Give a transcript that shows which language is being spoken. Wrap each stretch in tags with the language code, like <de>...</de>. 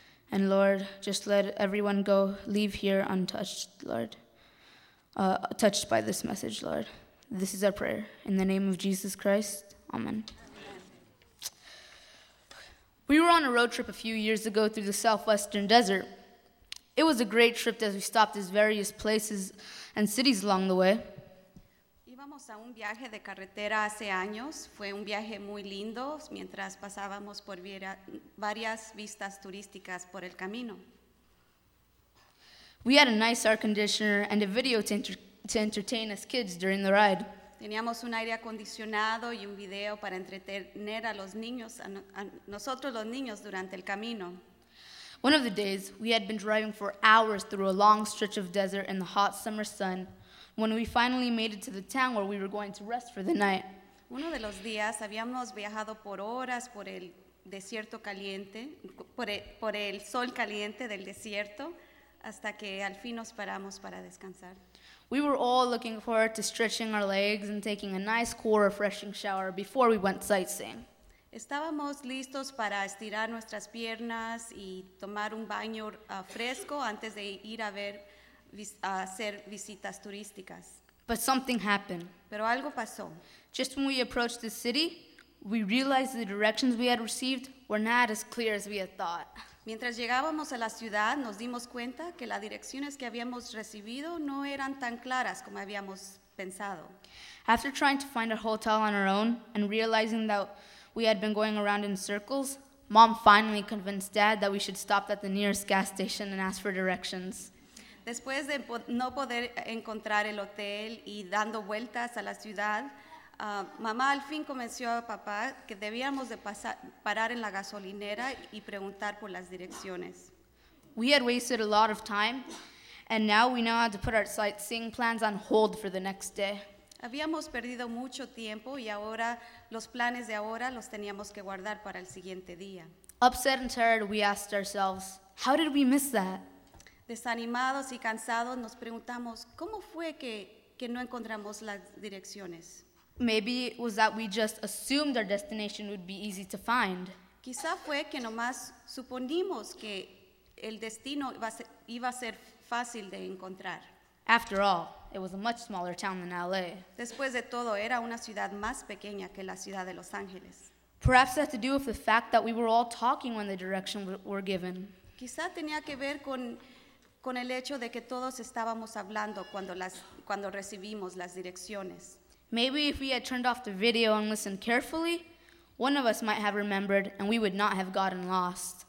<en>And Lord, just let everyone go, leave here untouched, Lord, touched by this message, Lord. This is our prayer. In the name of Jesus Christ, amen. We were on a road trip a few years ago through the southwestern desert. It was a great trip as we stopped at various places and cities along the way.</en> <es>Íbamos a un viaje de carretera hace años. Fue un viaje muy lindo mientras pasábamos por varias vistas turísticas por el camino.</es> <en>We had a nice air conditioner and a video to entertain us kids during the ride.</en> <es>Teníamos un aire acondicionado y un video para entretener a los niños, a nosotros los niños durante el camino.</es> <en>One of the days, we had been driving for hours through a long stretch of desert in the hot summer sun when we finally made it to the town where we were going to rest for the night.</en> <es>Uno de los días, habíamos viajado por horas por el desierto caliente, por el sol caliente del desierto, hasta que al fin nos paramos para descansar.</es> <en>We were all looking forward to stretching our legs and taking a nice cool refreshing shower before we went sightseeing.</en> <es>Estábamos listos para estirar nuestras piernas y tomar un baño fresco antes de ir a hacer visitas turísticas.</es> <en>But something happened.</en> <es>Pero algo pasó.</es> <en>Just when we approached the city, we realized the directions we had received were not as clear as we had thought.</en> <es>Mientras llegábamos a la ciudad, nos dimos cuenta que las direcciones que habíamos recibido no eran tan claras como habíamos pensado.</es> <en>After trying to find a hotel on our own and realizing that we had been going around in circles, Mom finally convinced Dad that we should stop at the nearest gas station and ask for directions.</en> <es>Después de no poder encontrar el hotel y dando vueltas a la ciudad, mamá al fin convenció a papá que debíamos de parar en la gasolinera y preguntar por las direcciones.</es> <en>We had wasted a lot of time, and now we now had to put our sightseeing plans on hold for the next day.</en> <es>Habíamos perdido mucho tiempo y ahora los planes de ahora los teníamos que guardar para el siguiente día.</es> <en>Upset and tired, we asked ourselves, how did we miss that?</en> <es>Desanimados y cansados, nos preguntamos, ¿cómo fue que no encontramos las direcciones?</es> <en>Maybe it was that we just assumed our destination would be easy to find.</en> <es>Quizá fue que nomás suponimos que el destino iba a ser fácil de encontrar.</es> <en>After all, it was a much smaller town than LA.</en> <es>Después de todo, era una ciudad más pequeña que la ciudad de Los Ángeles.</es> <en>Perhaps it had to do with the fact that we were all talking when the directions were given.</en> <es>Quizá tenía que ver con el hecho de que todos estábamos hablando cuando recibimos las direcciones.</es> <en>Maybe if we had turned off the video and listened carefully, one of us might have remembered and we would not have gotten lost.</en>